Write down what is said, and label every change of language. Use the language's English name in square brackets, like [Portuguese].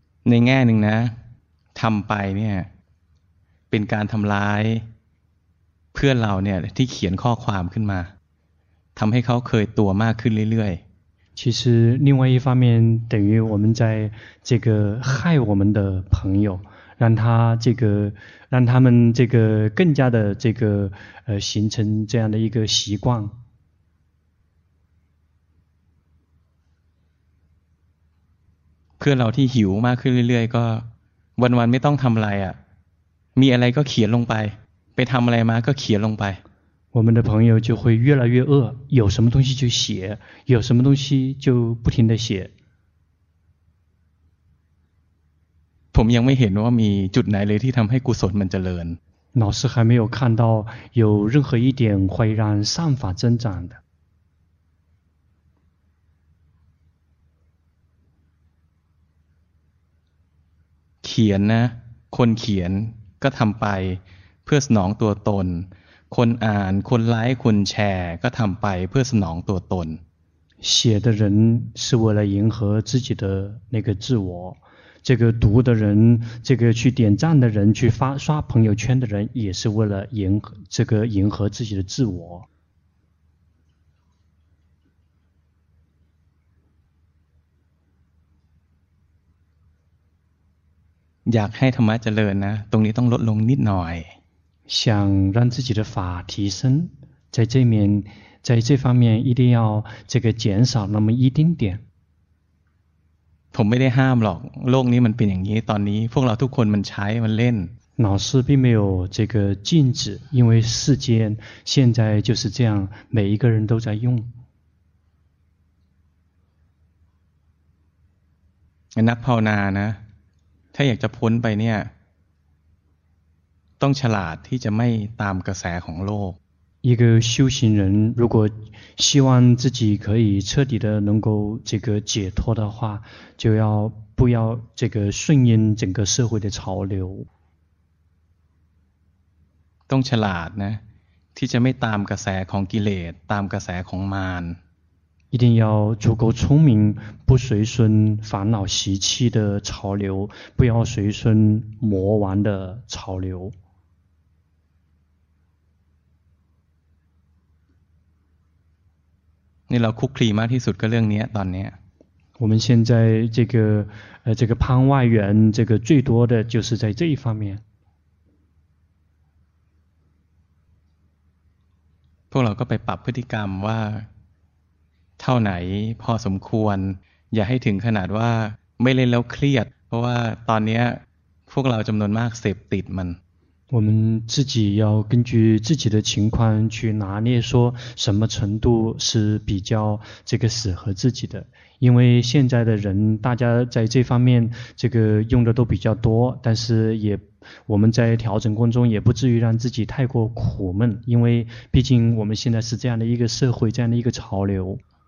[Thai] ในแง่หนึ่งนะทำไปเนี่ยเป็นการทำร้ายเพื่อนเราเนี่ยที่เขียนข้อความขึ้นมาทำให้เขาเคยตัวมากขึ้นเรื่อย [Chinese] ๆ其实另外一方面等于我们在这个害我们的朋友让他这个让他们这个更加的这个形成这样的一个习惯 [Thai] เพื่อนเราที่หิวมากขึ้นเรื่อยๆก็วันๆไม่ต้องทำอะไรอ่ะมีอะไรก็เขียนลงไปไปทำอะไรมาก็เขียนลงไป [Chinese] 我们的朋友就会越来越饿有什么东西就写有什么东西就不停的写 [Thai] ผมยังไม่เห็นว่ามีจุดไหนเลยที่ทำให้กุศลมันเจริญ [Chinese] 老师还没有看到有任何一点会让善法增长的 [Thai] เขียนนะคนเขียนก็ทำไปเพื่อสนองตัวตนคนอ่านคนไลค์คนแชร์ก็ทำไปเพื่อสนองตัวตน [Chinese] 写的人是为了迎合自己的那个自我这个读的人这个去点赞的人去发刷朋友圈的人也是为了迎这个迎合自己的自我 [Thai] อยากให้ธรรมะเจริญนะตรงนี้ต้องลดลงนิดหน่อย [Chinese] 想让自己的法提升在这面在这方面一定要这个减少那么一丁点 [Thai] ผมไม่ได้ห้ามหรอกโลกนี้มันเป็นอย่างนี้ตอนนี้พวกเราทุกคนมันใช้มันเล่น [Chinese] 老师并没有这个禁止因为世间现在就是这样每一个人都在用 [Thai] นักภาวนานะถ้าอยากจะพ้นไปเนี่ยต้องฉลาดที่จะไม่ตามกระแสของโลก [Chinese] 一个修行人如果希望自己可以彻底的能够这个解脱的话就要不要这个顺应整个社会的潮流 [Thai] ต้องฉลาดนะที่จะไม่ตามกระแสของกิเลสตามกระแสของมาร [Chinese] 一定要足够聪明，不随顺烦恼习气的潮流，不要随顺魔王的潮流。那老苦力吗？ [Thai] ที่สุดก็เรื่องนี้ตอนนี้。 [Chinese] 我们现在这个攀外缘，这个最多的就是在这一方面。 [Thai] พวกเราก็ไปปรับพฤติกรรมว่าเท่าไหนพอสมควรอย่าให้ถึงขนาดว่าไม่เล่นแล้วเครียดเพราะว่าตอนนี้พวกเราจำนวนมากเสพติดมัน [Chinese] 我们自己要根据自己的情况去拿捏说什么程度是比较这个适合自己的因为现在的人大家在这方面这个用的都比较多但是也我们在调整过程中也不至于让自己太过苦闷因为毕竟我们现在是这样的一个社会这样的一个潮流